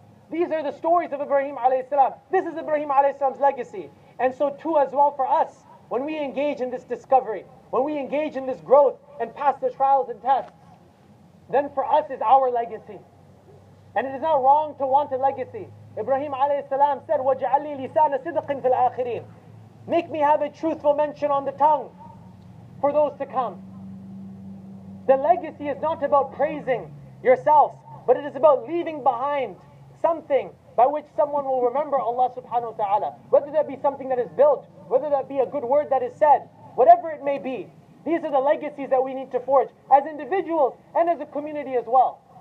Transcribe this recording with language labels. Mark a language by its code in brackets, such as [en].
[en] These are the stories of Ibrahim alayhi salam. This is Ibrahim alayhi salam's legacy. And so too as well for us, when we engage in this discovery, when we engage in this growth and pass the trials and tests, then for us is our legacy. And it is not wrong to want a legacy. Ibrahim alayhi salam said, [ar] وَجْعَلِّي لِسَانَ صِدْقٍ فِي الْآخِرِينَ. [en] Make me have a truthful mention on the tongue for those to come. The legacy is not about praising yourself, but it is about leaving behind something by which someone will remember Allah subhanahu wa ta'ala. Whether that be something that is built, whether that be a good word that is said, whatever it may be, these are the legacies that we need to forge as individuals and as a community as well.